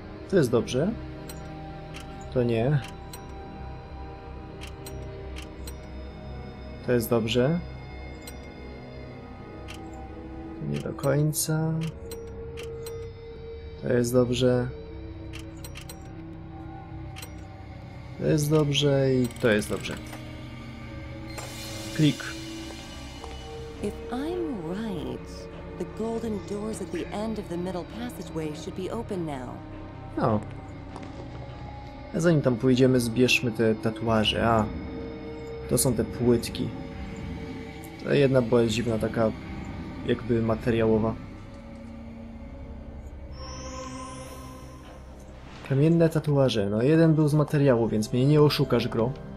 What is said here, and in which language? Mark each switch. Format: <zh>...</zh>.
<pl>To jest dobrze. To nie. To To jest dobrze. Nie do końca. To jest dobrze. To jest dobrze i to jest dobrze. Klik.</pl> <en>If I'm right, the golden doors at the end of the middle passageway should be open now.</en> <pl>No. A zanim tam pójdziemy, zbierzmy te tatuaże. A, to są te płytki. To jedna była dziwna, taka jakby materiałowa. Kamienne tatuaże. No, jeden był z materiału, więc mnie nie oszukasz, gro.</pl>